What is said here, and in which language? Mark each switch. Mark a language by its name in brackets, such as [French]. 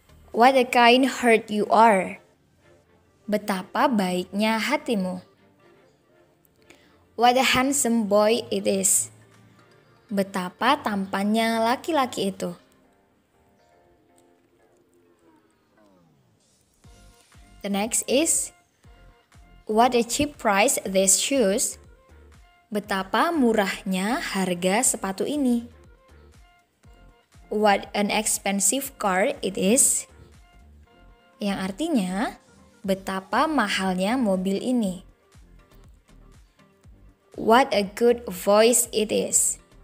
[English] What a kind heart you are. [Indonesian] Betapa baiknya hatimu. [English] What a handsome boy it is. [Indonesian] Betapa tampannya laki-laki itu. [English] The next is, what a cheap price these shoes. [Indonesian] Betapa murahnya harga sepatu ini. [English] What an expensive car it is. [Indonesian] Yang artinya, betapa mahalnya mobil ini. [English] What a good voice it is.